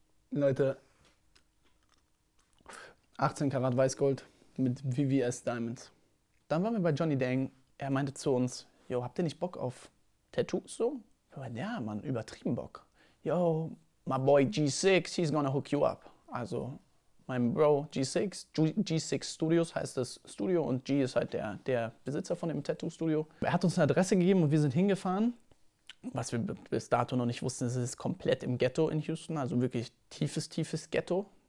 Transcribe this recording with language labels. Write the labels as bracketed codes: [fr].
[de] Leute, 18 Karat Weißgold mit VVS Diamonds. Dann waren wir bei Johnny Deng. Er meinte zu uns, yo, habt ihr nicht Bock auf Tattoos so? Wir meinten, ja, Mann, übertrieben Bock. [en] Yo, my boy G6, he's gonna hook you up. [de] Also, mein Bro G6, G6 Studios heißt das Studio und G ist halt der Besitzer von dem Tattoo-Studio. Er hat uns eine Adresse gegeben und wir sind hingefahren. Was wir bis dato noch nicht wussten, ist, es ist komplett im Ghetto in Houston, also wirklich tiefes, tiefes Ghetto.